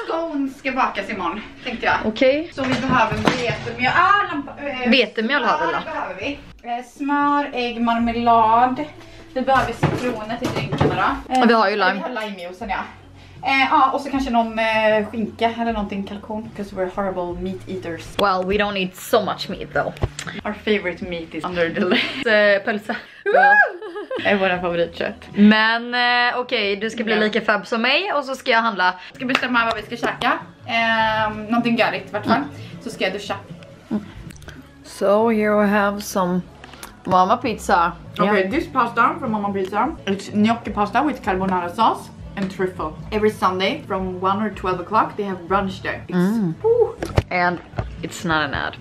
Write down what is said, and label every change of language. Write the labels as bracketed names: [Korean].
[Swedish] Skån ska bakas imorgon, tänkte jag. Okej. Så vi behöver vetemjöl. Vetemjöl har vi då. Smör, ägg, marmelad. Vi behöver citroner till drinkarna då. Vi har ju lime. Vi har limejuicen, ja. Och så kanske någon skinka eller någonting, kalkon. [English] Because we're horrible meat eaters. Well, we don't eat so much meat though. Our favorite meat is under the legs. [Swedish] Pölsa. Är våra favoritkött. Men okej, okay, du ska bli lika fab som mig. Och så ska jag handla. Jag ska bestämma vad vi ska käka. Någonting görigt vartfall. Så ska jag duscha. [English] So here we have some mama pizza. Okej, okay, this pasta from mama pizza. It's gnocchi pasta with carbonara sauce and truffle. Every Sunday from 1 or 12 o'clock they have brunch there. It's And it's not an ad.